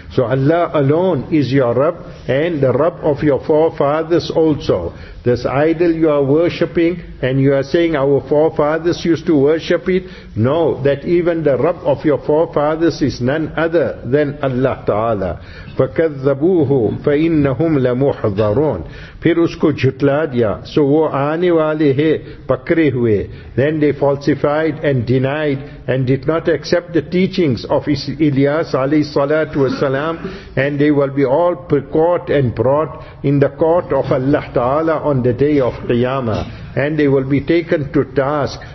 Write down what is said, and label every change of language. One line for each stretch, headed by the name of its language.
English: So Allah alone is your Rabb, and the Rabb of your forefathers also. This idol you are worshipping, and you are saying our forefathers used to worship it. Know that even the Rabb of your forefathers is none other than Allah Ta'ala.
Arabic: فَكَذَّبُوهُ فَإِنَّهُمْ لَمُحْضَرُونَ.
Urdu: پھر اس کو جھٹلا دیا. So وہ آنے والے ہیں پکرے ہوئے.
English: Then they falsified and denied and did not accept the teachings of Ilyas alayhi salatu wasalam, and they will be all caught and brought in the court of Allah Ta'ala on the day of Qiyamah, and they will be taken to task.